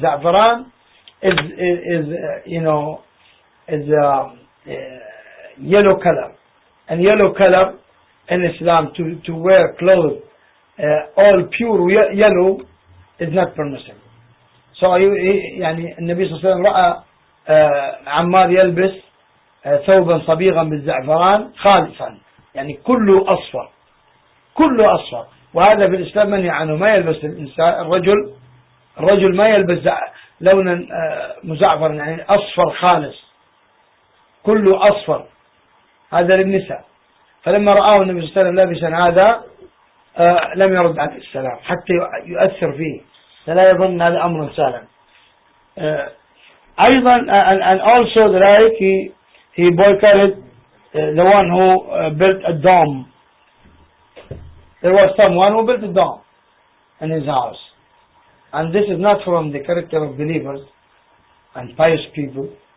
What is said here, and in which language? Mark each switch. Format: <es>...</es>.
<en>زعفران is you know is a yellow color, and yellow color in Islam to wear clothes all pure yellow is not permissible.</en> <ar>So يعني النبي صلى الله عليه وسلم رأى عمار يلبس ثوبا صبيغا بالزعفران خالصا, يعني كله أصفر كله أصفر. وهذا في الإسلام من يعانه ما يلبس الإنسان الرجل ما يلبس لونا مزعفرا, يعني أصفر خالص كله أصفر, هذا للنساء. فلما رأاه النبي صلى الله عليه وسلم لابسا هذا لم يرد عليه السلام حتى يؤثر فيه, فلا يظن هذا أمر سهلا.</ar> <en>أيضا and also the like he boycotted the one who built a dome. There was someone who built a dome in his house, and this is not from the character of believers and pious people.</en>